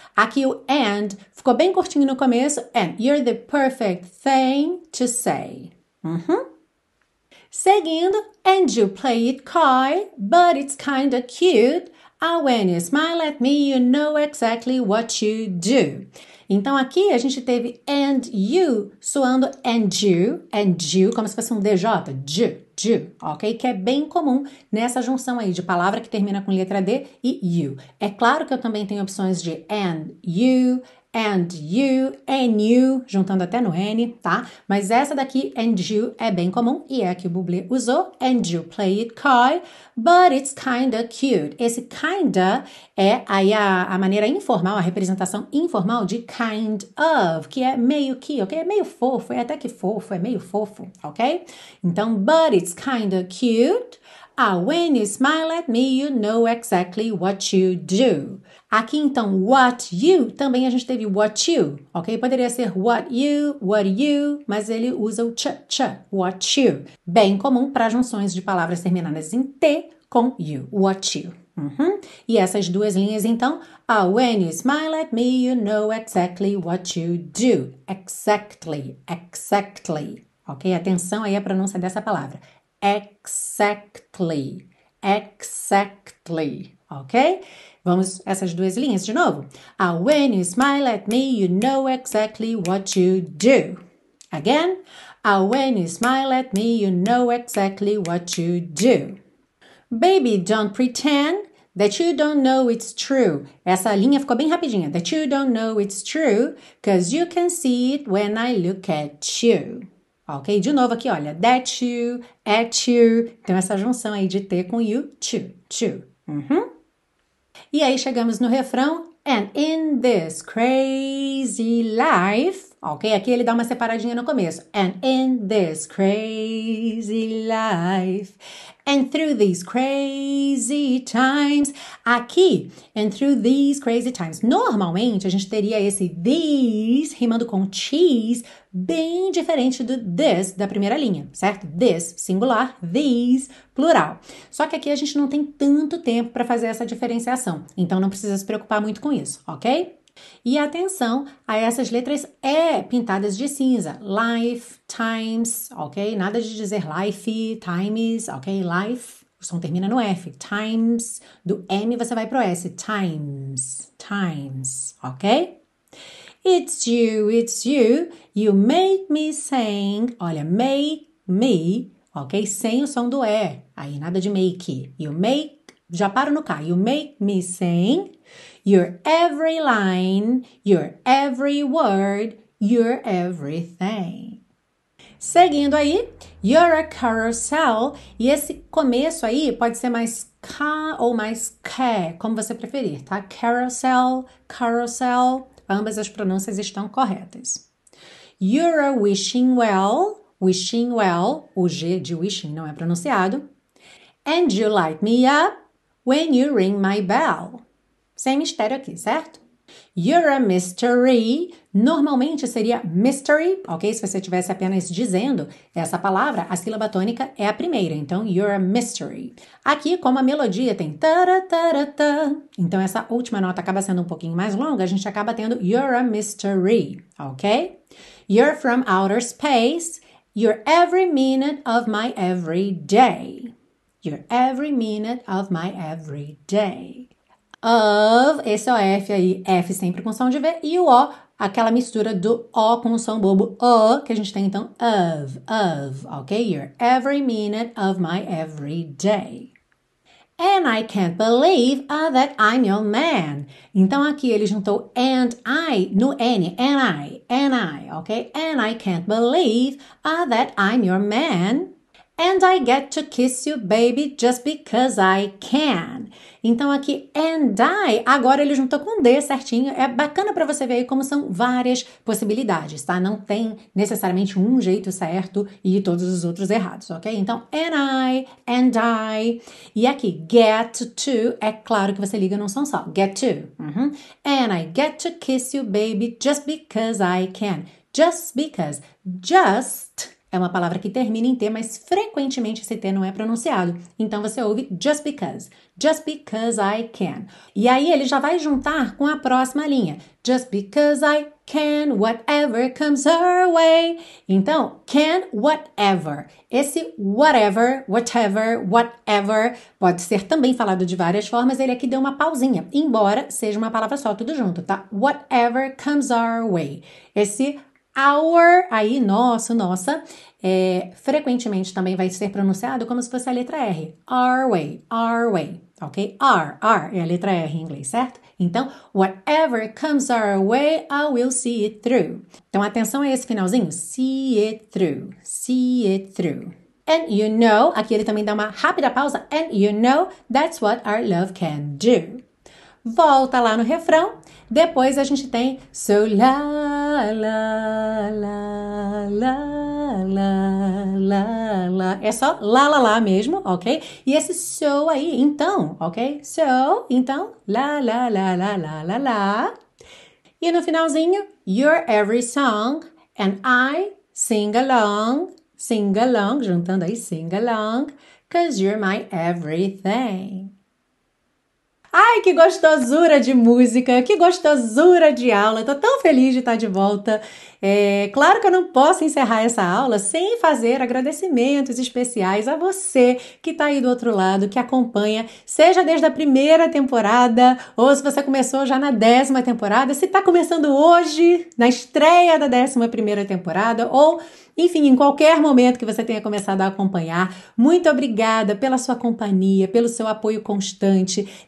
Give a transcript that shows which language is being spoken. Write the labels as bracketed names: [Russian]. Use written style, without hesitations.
[Portuguese] Aqui o and ficou bem curtinho no começo, and [English] you're the perfect thing to say. [Portuguese] Seguindo, [English] and you play it coy, but it's kinda cute. Ah, when you smile at me, you know exactly what you do. [Portuguese] Então, aqui a gente teve [English] and you soando and you, [Portuguese] como se fosse um DJ, ju, ju, ok? Que é bem comum nessa junção aí de palavra que termina com letra D e you. É claro que eu também tenho opções de and you, and you, juntando até no N, tá? Mas essa daqui, [English] and you, [Portuguese] é bem comum e é a que o Bublé usou. [English] And you play it coy, but it's kinda cute. [Portuguese] Esse kinda é aí a maneira informal, a representação informal de kind of, que é meio que, ok? É meio fofo, é até que fofo, é meio fofo, ok? Então, [English] but it's kinda cute. Ah, when you smile at me, you know exactly what you do. [Portuguese] Aqui, então, [English] what you, [Portuguese] também a gente teve what you, ok? Poderia ser [English] what you, [Portuguese] mas ele usa o ch, ch, what you. Bem comum para junções de palavras terminadas em T com you, what you. E essas duas linhas, então, [English] ah, when you smile at me, you know exactly what you do. Exactly, exactly. [Portuguese] Ok, atenção aí à pronúncia dessa palavra. [English] Exactly, exactly, ok? [Portuguese] Vamos essas duas linhas de novo. [English] Ah, when you smile at me, you know exactly what you do. Again, ah, when you smile at me, you know exactly what you do. Baby, don't pretend that you don't know it's true. [Portuguese] Essa linha ficou bem rapidinha. [English] That you don't know it's true, 'cause you can see it when I look at you. [Portuguese] Ok? De novo aqui, olha, that you, at you. Então, essa junção aí de T com you, [English] to, to. [Portuguese] E aí, chegamos no refrão. [English] And in this crazy life, ok? [Portuguese] Aqui ele dá uma separadinha no começo. [English] And in this crazy life, and through these crazy times, [Portuguese] aqui, [English] and through these crazy times. [Portuguese] Normalmente, a gente teria esse these rimando com cheese, bem diferente do this da primeira linha, certo? [English] This, singular, these, plural. [Portuguese] Só que aqui a gente não tem tanto tempo para fazer essa diferenciação, então não precisa se preocupar muito com isso, ok? E atenção a essas letras E pintadas de cinza. [English] Life, times, [Portuguese] ok? Nada de dizer life, times, ok? Life, o som termina no F. Times, do M você vai pro S. [English] Times, times, ok? It's you, you make me sing. [Portuguese] Olha, make me, ok? Sem o som do E. Aí, nada de make. You make, já paro no K. [English] You make me sing. You're every line, you're every word, you're everything. [Portuguese] Seguindo aí, [English] you're a carousel. [Portuguese] E esse começo aí pode ser mais ca ou mais ca, como você preferir, tá? Carousel, carousel, ambas as pronúncias estão corretas. [English] You're a wishing well, [Portuguese] o G de wishing não é pronunciado. [English] And you light me up when you ring my bell. [Portuguese] Sem mistério aqui, certo? [English] You're a mystery. [Portuguese] Normalmente seria mystery, ok? Se você estivesse apenas dizendo essa palavra, a sílaba tônica é a primeira. Então, [English] you're a mystery. [Portuguese] Aqui, como a melodia tem taratarata, então essa última nota acaba sendo um pouquinho mais longa, a gente acaba tendo you're a mystery, ok? [English] You're from outer space. You're every minute of my every day. You're every minute of my every day. [Portuguese] Of, esse é o F aí, F sempre com som de V, e o O, aquela mistura do O com o som bobo, O, que a gente tem então, of, ok? [English] You're every minute of my every day. And I can't believe that I'm your man. [Portuguese] Então aqui ele juntou [English] and I [Portuguese] no N, and I, ok? [English] And I can't believe that I'm your man. And I get to kiss you, baby, just because I can. [Portuguese] Então, aqui, and I, agora ele junta com D certinho. É bacana para você ver aí como são várias possibilidades, tá? Não tem necessariamente um jeito certo e todos os outros errados, ok? Então, [English] and I. [Portuguese] E aqui, get to, é claro que você liga num som só. Get to. Uhum. [English] And I get to kiss you, baby, just because I can. Just because. [Portuguese] Just é uma palavra que termina em T, mas frequentemente esse T não é pronunciado. Então você ouve [English] just because. Just because I can. [Portuguese] E aí ele já vai juntar com a próxima linha. [English] Just because I can, whatever comes her way. Então, can, whatever. [Portuguese] Esse whatever, whatever, whatever pode ser também falado de várias formas. Ele aqui deu uma pausinha, embora seja uma palavra só, tudo junto, tá? [English] Whatever comes our way. [Portuguese] Esse our, aí, nosso, nossa, frequentemente também vai ser pronunciado como se fosse a letra R. [English] Our way, [Portuguese] ok? R é a letra R em inglês, certo? [English] Então, whatever comes our way, I will see it through. [Portuguese] Então, atenção a esse finalzinho. [English] See it through, see it through. And you know, [Portuguese] aqui ele também dá uma rápida pausa. [English] And you know, that's what our love can do. [Portuguese] Volta lá no refrão. Depois a gente tem [English] so la la la [Portuguese] la la la la. É só la la la mesmo, ok? E esse so aí, então, ok? So, então, la la la la la la la. E no finalzinho, [English] you're every song and I sing along, [Portuguese] juntando aí [English] sing along, 'cause you're my everything. [Portuguese] Ai, que gostosura de música, que gostosura de aula. Tô tão feliz de estar de volta. É, claro que eu não posso encerrar essa aula sem fazer agradecimentos especiais a você que tá aí do outro lado, que acompanha, seja desde a primeira temporada, ou se você começou já na 10ª temporada, se tá começando hoje, na estreia da 11ª temporada, ou, enfim, em qualquer momento que você tenha começado a acompanhar, muito obrigada pela sua companhia, pelo seu apoio constante.